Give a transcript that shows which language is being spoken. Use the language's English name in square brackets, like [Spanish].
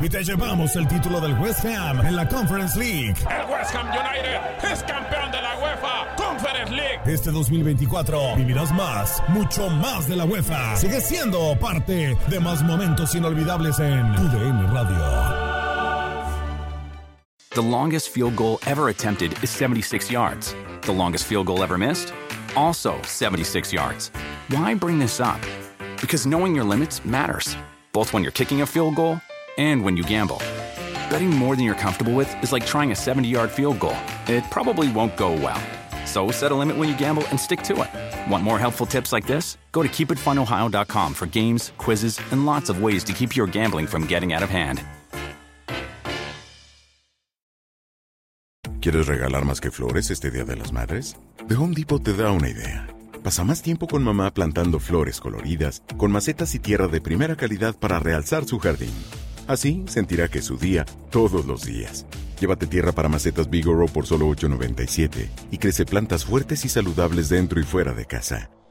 [Spanish] Y te llevamos el título del West Ham en la Conference League. El West Ham United es campeón de la UEFA Conference League. Este 2024 vivirás más, mucho más de la UEFA. Sigue siendo parte de más momentos inolvidables en UDN Radio. [English] The longest field goal ever attempted is 76 yards. The longest field goal ever missed? Also 76 yards. Why bring this up? Because knowing your limits matters, both when you're kicking a field goal and when you gamble. Betting more than you're comfortable with is like trying a 70-yard field goal. It probably won't go well. So set a limit when you gamble and stick to it. Want more helpful tips like this? Go to KeepItFunOhio.com for games, quizzes, and lots of ways to keep your gambling from getting out of hand. [Spanish] ¿Quieres regalar más que flores este Día de las Madres? The Home Depot te da una idea. Pasa más tiempo con mamá plantando flores coloridas con macetas y tierra de primera calidad para realzar su jardín. Así sentirá que es su día todos los días. Llévate tierra para macetas Bigoro por solo $8.97 y crece plantas fuertes y saludables dentro y fuera de casa.